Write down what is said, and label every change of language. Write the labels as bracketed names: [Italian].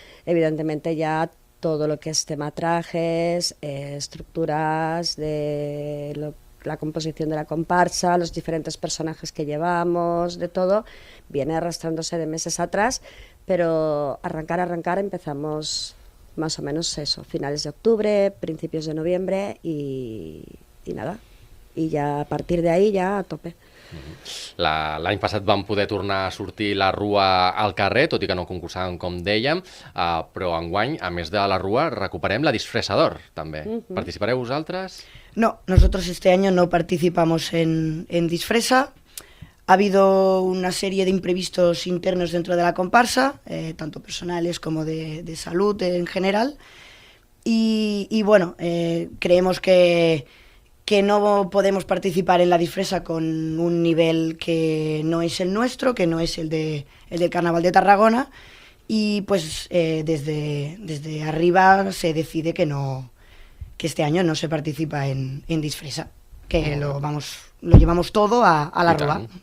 [Spanish] Evidentemente ya todo lo que es tema trajes, estructuras, la composición de la comparsa, los diferentes personajes que llevamos, de todo, viene arrastrándose de meses atrás, pero arrancar empezamos más o menos eso, finales de octubre, principios de noviembre y nada. Y ya a partir de ahí ya a tope. [Catalan] L'any passat vam poder tornar a sortir la rua al carrer, tot i que no concursàvem, com dèiem, però enguany, a més de la rua, recuperem la disfressa d'or, també. Participareu vosaltres? [Spanish] No, nosotros este año no participamos en disfressa. Ha habido una serie de imprevistos internos dentro de la comparsa, tanto personales como de salud en general, y bueno, creemos que no podemos participar en la disfressa con un nivel que no es el nuestro, que no es el del Carnaval de Tarragona, y pues desde arriba se decide que este año no se participa en disfressa, que lo llevamos todo a la rua.